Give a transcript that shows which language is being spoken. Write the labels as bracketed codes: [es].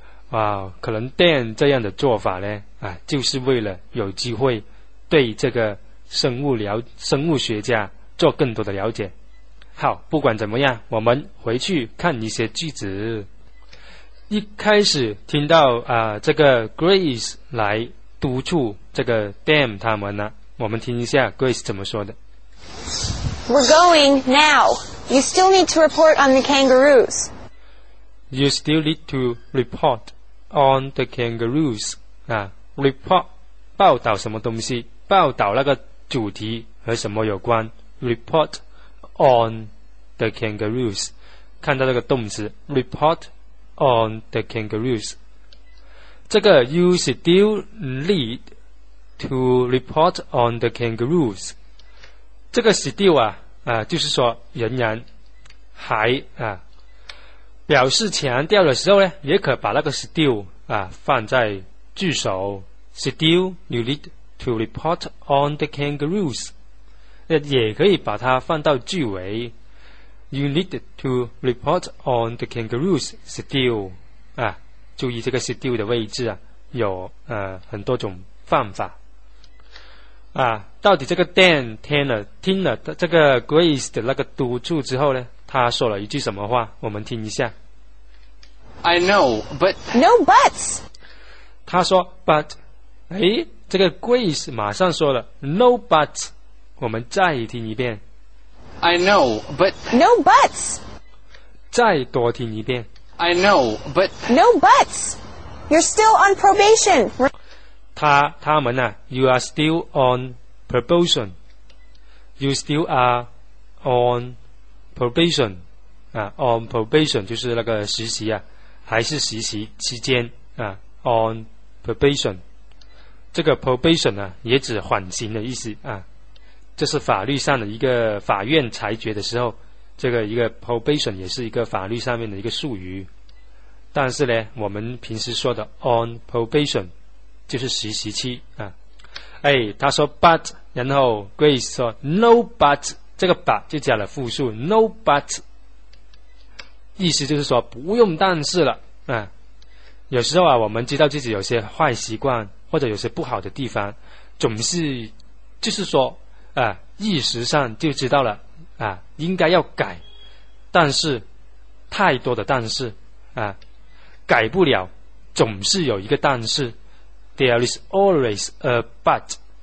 [zh] 哇，可能 Dan 这样的做法呢，啊，就是为了有机会对这个生物学家做更多的了解。好，不管怎么样，我们回去看一些句子。一开始听到这个 Grace 来督促这个 Dan 他们呢，我们听一下 Grace 怎么说的。 [en] We're going now. You still need to report on the kangaroos. You still need to report on the kangaroos. [zh] 啊 ，report 报道什么东西？报道那个主题和什么有关 ？ Report on the kangaroos. 看到这个动词 ， report on the kangaroos. [en] 这个 you still need to report on the kangaroos. [zh] 这个 still 啊。就是说仍然还啊，表示强调的时候呢，也可把那个 still 啊放在句首。 [en] Still, you need to report on the kangaroos. [zh] 也可以把它放到句尾。 [en] You need to report on the kangaroos still. [zh] 啊，注意这个 still 的位置啊，有很多种方法。啊，到底这个 Dan 听了这个 Grace 的那个督促之后呢，他说了一句什么话？我们听一下。 [en] I know, but no buts. [zh] 他说 but， 哎，这个 Grace 马上说了 no buts。我们再听一遍。 [en] I know, but no buts. [zh] 再多听一遍。 [en] I know, but no buts. You're still on probation. 他们啊 ，you are still on probation. You still are on probation. [zh] 啊 ，on probation 就是那个实习啊。还是实习期间啊 ，on probation， 这个 probation 呢、啊、也指缓刑的意思啊，这是法律上的一个法院裁决的时候，这个一个 probation 也是一个法律上面的一个术语，但是呢，我们平时说的 on probation 就是实习期啊。哎，他说 but， 然后 Grace 说 no but，这个 but 就加了复数 no but。意思就是说不用但是了啊。有时候啊，我们知道自己有些坏习惯或者有些不好的地方，总是就是说啊，意识上就知道了啊，应该要改，但是太多的但是啊，改不了，总是有一个但是 ， there is always a but。